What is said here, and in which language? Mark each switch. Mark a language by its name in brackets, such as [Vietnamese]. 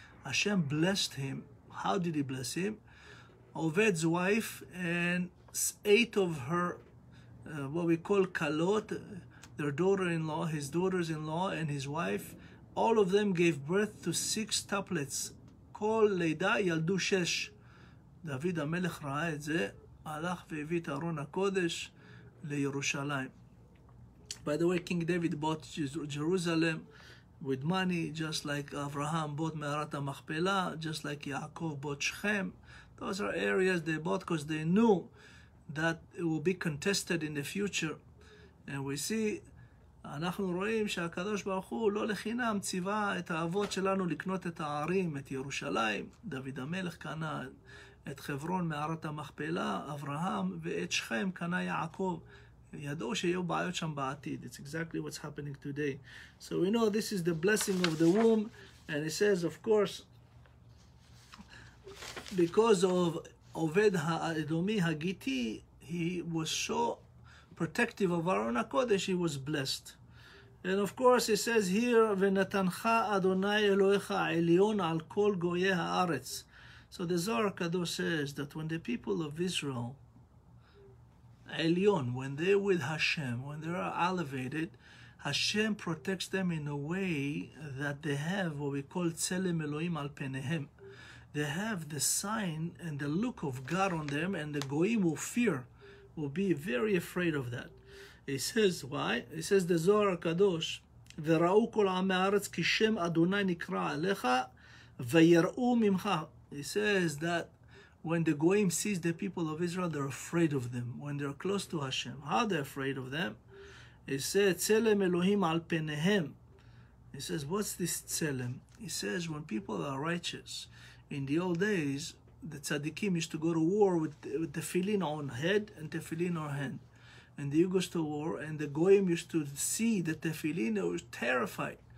[English] Hashem blessed him. How did he bless him? Oved's wife and eight of her, what we call kalot, their daughter-in-law, his daughters-in-law, and his wife, all of them gave birth to six tuplets. [Hebrew] Kol leida yaldu shesh. David HaMelech ראה את זה, הלך והביא את ארון הקודש לירושלים. [English] By the way, King David bought Jerusalem with money, just like Abraham bought Me'arat HaMachpelah, just like Yaakov bought Shechem. Those are areas they bought because they knew that it will be contested in the future. And we see, [Hebrew] אנחנו רואים שהקדוש ברוך הוא לא לחינם ציווה את האבות שלנו לקנות את הערים, את ירושלים. דוד המלך קנה את חברון מערת המכפלה, אברהם, ואת שכם קנה יעקב. ידעו שיהיו בעיות שם בעתיד. [English] It's exactly what's happening today. So we know this is the blessing of the womb. And it says, of course, because of Oved האדומי הגיטי, he was so protective of Aron HaKodesh, he was blessed. And of course, it says here, [Hebrew] ונתנך אדוני אלוהיך עליון על כל גויי הארץ. [English] So the Zohar Kadosh says that when the people of Israel, Elyon, when they're with Hashem, when they are elevated, Hashem protects them in a way that they have what we call Tzelem Elohim al Penehem. They have the sign and the look of God on them, and the Goyim will fear, will be very afraid of that. He says, why? He says, the Zohar Kadosh, [Hebrew] וראו כל עמי הארץ כי שם אדוני נקרא עליך ויראו ממך. [English] He says that when the goyim sees the people of Israel, they're afraid of them. When they're close to Hashem, how they're afraid of them? He says, [Hebrew] "Tzelem Elohim al penehem." [English] He says, "What's this tzelem?" He says, "When people are righteous, in the old days, the tzaddikim used to go to war with tefillin on head and tefillin on hand, and they used to war, and the goyim used to see the tefillin, they were terrified."